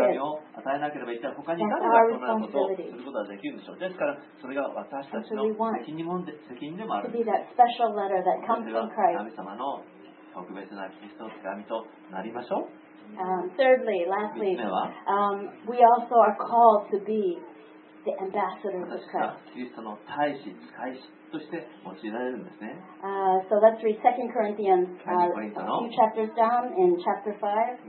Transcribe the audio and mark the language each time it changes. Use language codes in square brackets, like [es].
[ja] もし私が神様の愛、神様の手紙を与えなければいったら他に誰がそんなことをすることができるんでしょう。ですからそれが私たちの責任もで責任でもあるんです。それは神様の特別なキリストの手紙となりましょう。 [en] Thirdly, lastly, we also are called to be the ambassadors of Christ. [ja] キリストの大使、使い使として用いられるんですね。 [en] So let's read 2 Corinthians, a few chapters down in chapter 5.